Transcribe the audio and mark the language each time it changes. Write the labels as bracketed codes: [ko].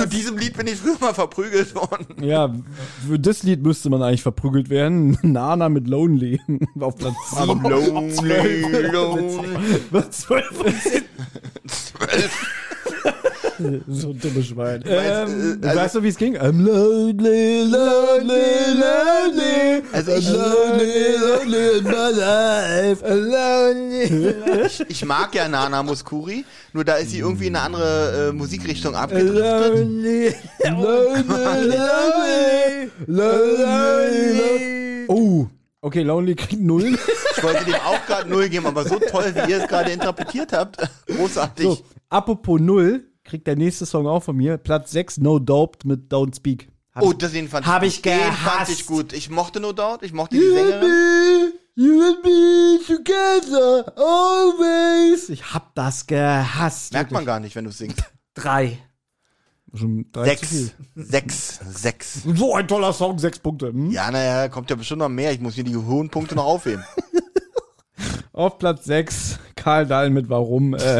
[de] Zu diesem Lied bin ich früher mal verprügelt worden. Ja, für das Lied müsste man eigentlich verprügelt werden. Nana mit Lonely. Auf Platz 7. Lonely. Was? 12? 12? So ein dummes Schwein. Also, weißt du, wie es ging? [en] I'm lonely, lonely, lonely. [de] Also ich, [en] lonely, lonely in my life. I'm lonely. [de] Ich mag ja Nana Mouskouri, nur da ist sie irgendwie in eine andere Musikrichtung abgedriftet. [en] Lonely, lonely, lonely, lonely, lonely. [de] Oh, okay, Lonely kriegt null. Ich wollte dem auch gerade null geben, aber so toll, wie ihr es gerade interpretiert habt, großartig. So, apropos null, kriegt der nächste Song auch von mir, Platz 6, No Doubt mit Don't Speak. Oh, das den fand ich gehasst. Den fand ich gut. Ich mochte No Doubt, ich mochte die Sängerin. [en] You and me together, always. [de] Ich hab das gehasst. Merkt man gar nicht, wenn du singst. Drei. Schon drei sechs. Zu viel. Sechs. So ein toller Song, 6 Punkte. Hm? Ja, naja, kommt ja bestimmt noch mehr. Ich muss mir die hohen Punkte noch aufheben. Auf Platz 6, Karl Dahl mit Warum.